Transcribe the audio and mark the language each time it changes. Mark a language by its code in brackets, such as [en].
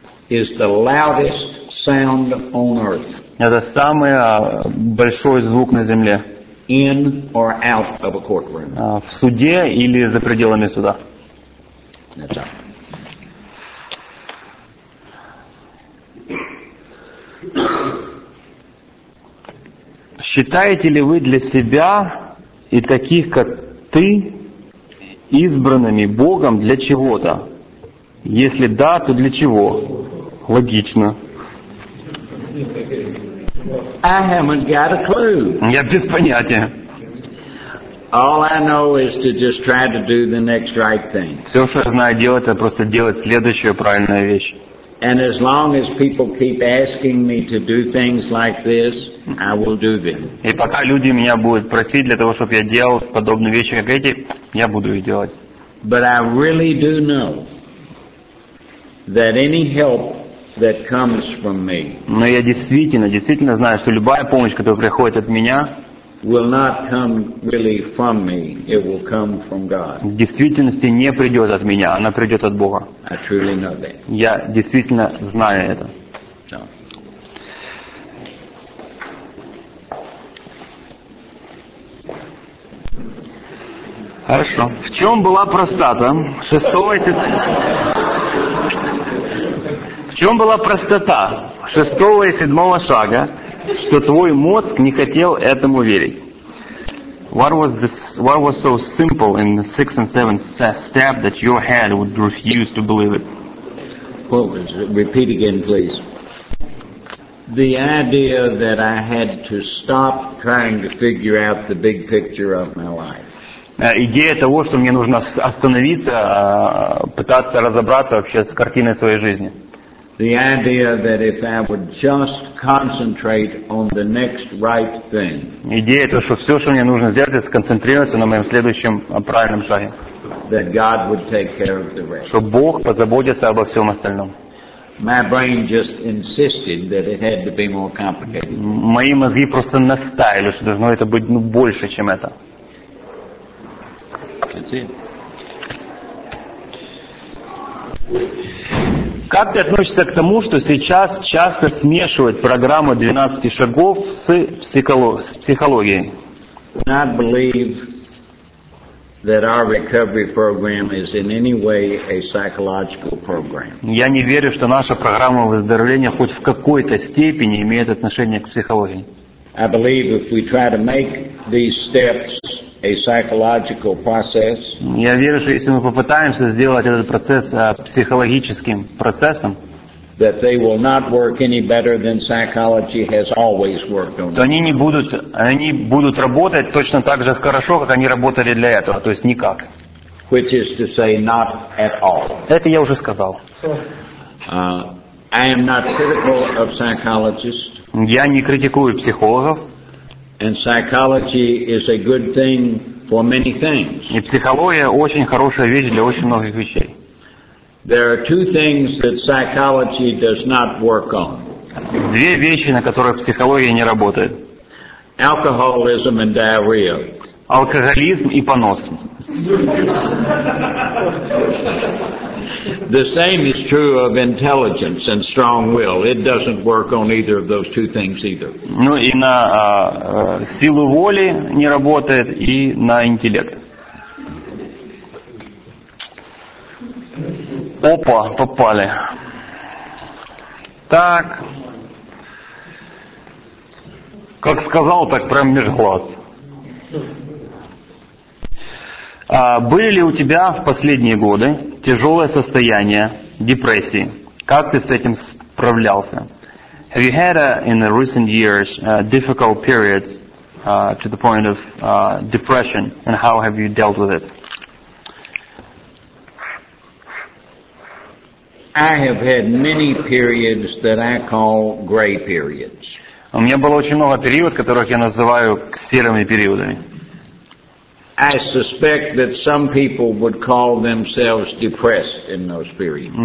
[en] is the loudest sound on earth. [ru] Это самый большой звук на земле. [en] In or out of a courtroom. [ru] В суде или за пределами суда. [en] That's all. [ru] Считаете ли вы для себя и таких, как ты, избранными Богом для чего-то? Если да, то для чего? Логично. [en] I haven't got a clue. [ru] Я без понятия. [en] All I know is to just try to do the next right thing. [ru] Все, что я знаю делать, это просто делать следующую правильную вещь. [en] And as long as people keep asking me to do things like this, I will do them. [ru] И пока люди меня будут просить для того, чтобы я делал подобные вещи, как эти, я буду их делать. [en] But I really do know that any help that comes from me. [ru] Но я действительно знаю, что любая помощь, которая приходит от меня, [en] will not come really from me. It will come from God. [ru] В действительности не придет от меня, она придет от Бога. [en] I truly know that. [ru] Я действительно знаю это. [en] No. [ru] Хорошо. В чем была простота? В чем была простота шестого и седьмого шага, что твой мозг не хотел этому верить? [en] What was so simple in the sixth and seventh step that your head would refuse to believe it? What was it? Repeat again, please. The idea that I had to stop trying to figure out the big picture of my life. [ru] Идея того, что мне нужно остановиться, пытаться разобраться вообще с картиной своей жизни. [en] The idea that if I would just concentrate on the next right thing. [ru] Идея то, что все, что мне нужно сделать, это сконцентрироваться на моем следующем правильном шаге. [en] That God would take care of the rest. [ru] Что Бог позаботится обо всем остальном. [en] My brain just insisted that it had to be more complicated. [ru] Мои мозги просто настаивали, что должно это быть больше, чем это. [en] That's it. [ru] Как ты относишься к тому, что сейчас часто смешивают программу 12 шагов с психологией? [en] Not believe that our recovery program is in any way a psychological program. [ru] Я не верю, что наша программа выздоровления хоть в какой-то степени имеет отношение к психологии. [en] I believe if we try to make these steps a psychological process. [ru] Я верю, что если мы попытаемся сделать этот процесс психологическим процессом, [en] that they will not work any better than psychology has always worked on. [ru] То они будут работать точно так же хорошо, как они работали для этого, то есть никак. [en] Which is to say not at all. [ru] Это я уже сказал. [en] I am not critical of psychologists. [ru] Я не критикую психологов. [en] And psychology is a good thing for many things. [ru] И психология очень хорошая вещь для очень многих вещей. [en] There are two things that psychology does not work on. [ru] Две вещи, на которых психология не работает. [en] Alcoholism and diarrhea. [ru] Алкоголизм и понос. [en] The same is true of intelligence and strong will. It doesn't work on either of those two things either. [ru] Ну и на силу воли не работает и на интеллект. Опа, попали. Так. Как сказал, так прям меж глаз. Были ли у тебя в последние годы тяжелое состояние депрессии? Как ты с этим справлялся? [en] Have you had in the recent years difficult periods to the point of depression? And how have you dealt with it? I have had many periods that I call gray periods. [ru] У меня было очень много периодов, которых я называю серыми периодами. [en] I suspect that some people would call themselves depressed in those periods.